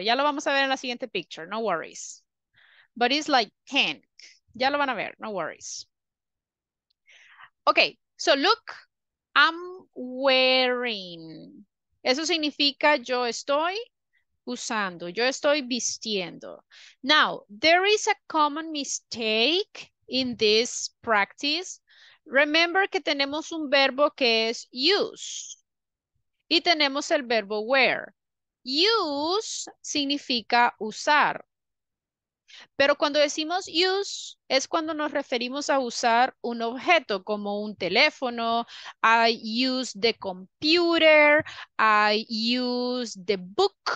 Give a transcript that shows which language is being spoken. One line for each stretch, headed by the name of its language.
Spanish: Ya lo vamos a ver en la siguiente picture,
English: no worries. But it's like tank.
Spanish: Ya lo van a ver,
English: no worries. Okay, so look, I'm wearing.
Spanish: Eso significa yo estoy usando, yo estoy vistiendo.
English: Now, there is a common mistake in this practice. Remember
Spanish: que tenemos un verbo que es use. Y tenemos el verbo wear. Use significa usar. Pero cuando decimos use, es cuando nos referimos a usar un objeto, como un teléfono,
English: I use the computer, I use the book.